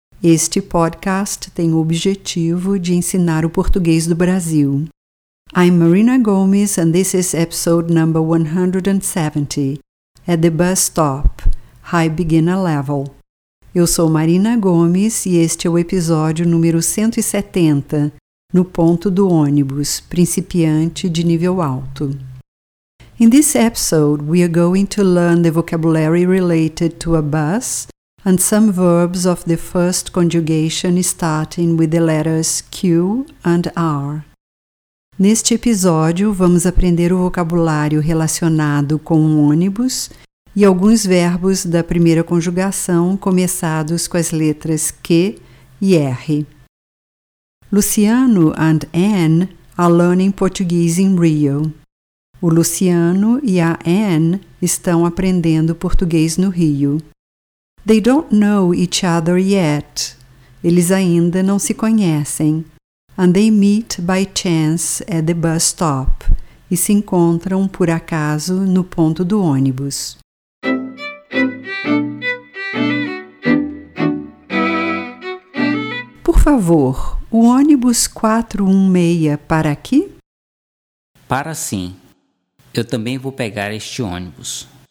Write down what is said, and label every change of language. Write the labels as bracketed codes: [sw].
[pt] Este podcast tem o objetivo de ensinar o português do Brasil. [en] I'm Marina Gomes and this is episode number 170, at the bus stop, high beginner level. [pt] Eu sou Marina Gomes e este é o episódio número 170, no ponto do ônibus, principiante de nível alto. [en] In this episode, we are going to learn the vocabulary related to a bus and some verbs of the first conjugation starting with the letters Q and R. [pt] Neste episódio, vamos aprender o vocabulário relacionado com um ônibus e alguns verbos da primeira conjugação começados com as letras Q e R. [en] Luciano and Anne are learning Portuguese in Rio. [pt] O Luciano e a Anne estão aprendendo português no Rio. [en] They don't know each other yet. [pt] Eles ainda não se conhecem. [en] And they meet by chance at the bus stop. [pt] E se encontram, por acaso, no ponto do ônibus. Por favor, o ônibus 416 para aqui? Para sim. Eu também vou pegar este ônibus.